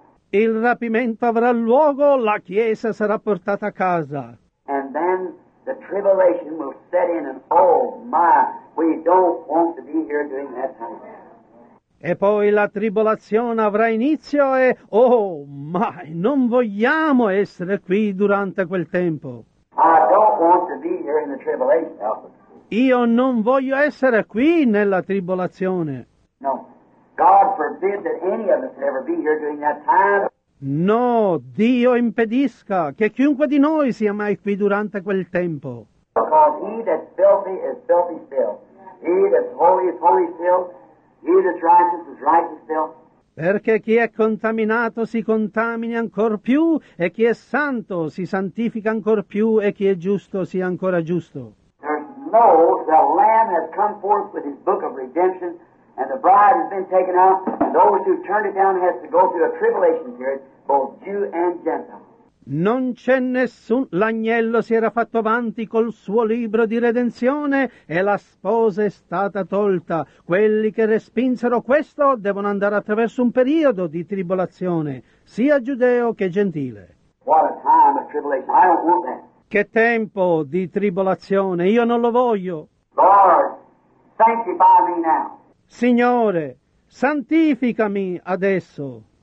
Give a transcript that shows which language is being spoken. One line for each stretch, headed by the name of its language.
Italian: Il rapimento avrà luogo, la Chiesa sarà portata a casa.
English: And then the tribulation will set in and oh my... We don't want to be here during that time.
Italian: E poi la tribolazione avrà inizio e
English: oh my,
Italian: non vogliamo essere qui durante quel tempo.
English: I don't want to be here in the tribulation.
Italian: Io non voglio essere qui nella tribolazione.
English: No, God forbid that any of us ever be here during that time.
Italian: No, Dio impedisca che chiunque di noi sia mai qui durante quel tempo.
English: Because he that's filthy is filthy still. He that's holy is holy still. He that's righteous is righteous still.
Italian: Perché chi è contaminato si contamini ancor più, e chi è santo si santifica ancor più, e chi è giusto sia ancora giusto.
English: There's no, the Lamb has come forth with his book of redemption, and the bride has been taken out, and those who turn it down has to go through a tribulation period, both Jew and Gentile.
Italian: Non c'è nessun... L'agnello si era fatto avanti col suo libro di redenzione e la sposa è stata tolta. Quelli che respinsero questo devono andare attraverso un periodo di tribolazione, sia giudeo che gentile.
English: What a time of tribulation. I don't want that.
Italian: Che tempo di tribolazione, io non lo voglio.
English: Lord, sanctify me now.
Italian: Signore, santificami adesso.